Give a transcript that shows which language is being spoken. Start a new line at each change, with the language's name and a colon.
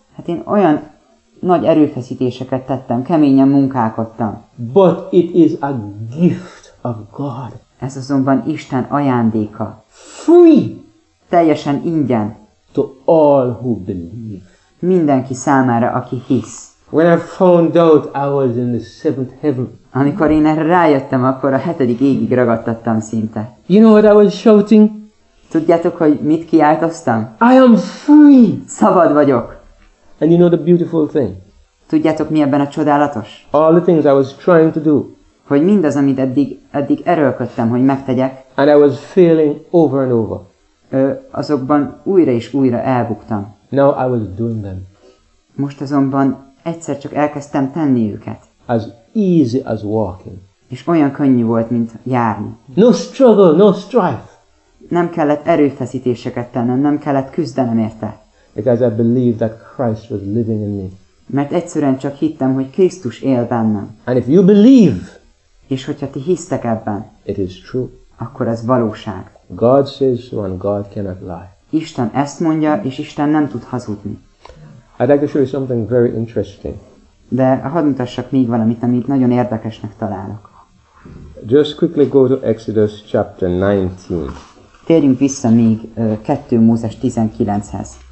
Hungarian: Hát én olyan nagy erőfeszítéseket tettem, keményen munkálkodtam.
English: But it is a gift of God.
Hungarian: Ez azonban Isten ajándéka.
English: Free.
Hungarian: Teljesen ingyen.
English: To all who believe.
Hungarian: Mindenki számára, aki hisz.
English: When I found out I was in the seventh heaven.
Hungarian: Amikor én erre rájöttem, akkor a hetedik égig ragadtattam szinte.
English: You know what I was shouting?
Hungarian: Tudjátok, hogy mit kiáltoztam?
English: I am free!
Hungarian: Szabad vagyok!
English: And you know the beautiful thing?
Hungarian: Tudjátok, mi ebben a csodálatos?
English: All the things I was trying to do.
Hungarian: Hogy mindaz, amit eddig erőlködtem, hogy megtegyek.
English: And I was failing over and over.
Hungarian: Azokban újra és újra elbuktam.
English: Now I was doing them.
Hungarian: Most azonban egyszer csak elkezdtem tenni őket.
English: As easy as walking.
Hungarian: És olyan könnyű volt, mint járni.
English: No struggle, no strife.
Hungarian: Nem kellett erőfeszítéseket tennem, nem kellett küzdenem érte.
English: Because I believed that Christ was living in me.
Hungarian: Mert egyszerűen csak hittem, hogy Krisztus él bennem.
English: And if you believe,
Hungarian: és hogyha ti hisztek ebben,
English: it is true.
Hungarian: Akkor ez valóság.
English: God says so and God cannot lie.
Hungarian: Isten ezt mondja, és Isten nem tud hazudni.
English: I'd like to show you something very interesting.
Hungarian: De hadd mutassak még valamit, amit nagyon érdekesnek találok.
English: Just quickly go to Exodus chapter 19.
Hungarian: Térjünk vissza még 2 Mózes 19-hez.